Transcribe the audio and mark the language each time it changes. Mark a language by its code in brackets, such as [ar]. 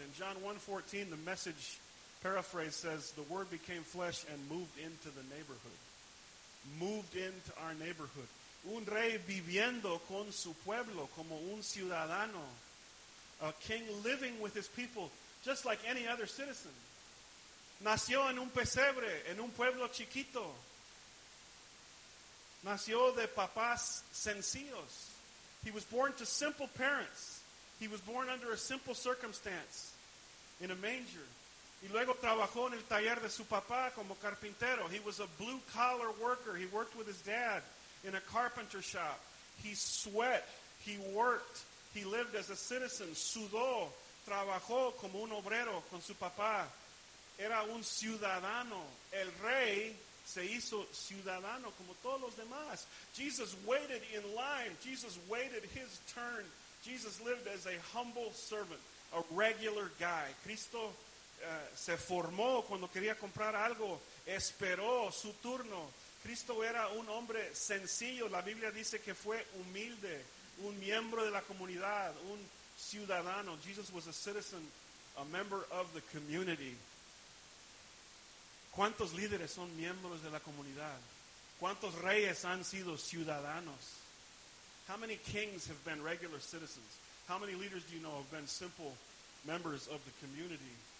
[en] In John 1:14, the Message paraphrase says, the word became flesh and moved into the neighborhood. Moved into our neighborhood. [es] Un rey viviendo con su pueblo como un ciudadano. [en] A king living with his people just like any other citizen. [es] Nació en un pesebre, en un pueblo chiquito. Nació de papás sencillos. [en] He was born to simple parents. He was born under a simple circumstance in a manger. [es] Y luego trabajó en el taller de su papá como carpintero. [en] He was a blue-collar worker. He worked with his dad in a carpenter shop. He sweat. He worked. He lived as a citizen. [es] Sudó. Trabajó como un obrero con su papá. Era un ciudadano. El rey se hizo ciudadano como todos los demás. [en] Jesus waited in line. Jesus waited his turn. Jesus lived as a humble servant, a regular guy. [es] Cristo se formó cuando quería comprar algo, esperó su turno. Cristo era un hombre sencillo. La Biblia dice que fue humilde, un miembro de la comunidad, un ciudadano. [en] Jesus was a citizen, a member of the community. [es] ¿Cuántos líderes son miembros de la comunidad? ¿Cuántos reyes han sido ciudadanos? [en] How many kings have been regular citizens? How many leaders do you know have been simple members of the community?